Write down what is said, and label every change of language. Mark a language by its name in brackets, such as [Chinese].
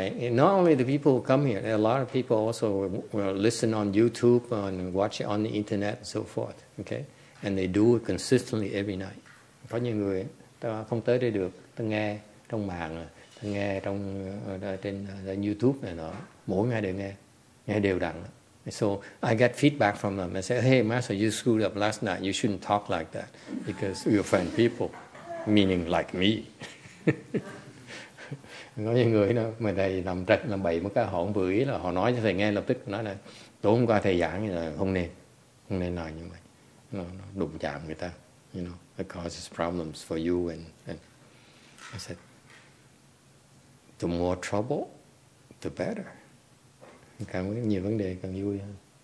[English] Not only the people who come here, a lot of people also will listen on YouTube and watch it on the internet and so forth, okay? And they do it consistently every night. [Vietnamese] Có nhiều người ta không tới đây được, ta nghe trong mạng, ta nghe trong trên YouTube này nọ, mỗi ngày đều nghe. [English] Yeah, [Vietnamese] đều đặn. [English] So I get feedback from them. I say, hey, Master, you screwed up last night. You shouldn't talk like that because you offend people, meaning like me. [Vietnamese] Nói với người đó, mà thầy nằm trạch, nằm bậy một cái họ không vừa ý là họ nói cho thầy nghe lập tức. Nói là tối hôm qua thầy giảng là không nên nói như vậy. Nó đụng chạm người ta. [English] You know, it causes problems for you. And I said, the more trouble, the better. [Vietnamese] Càng nhiều vấn đề càng vui hơn.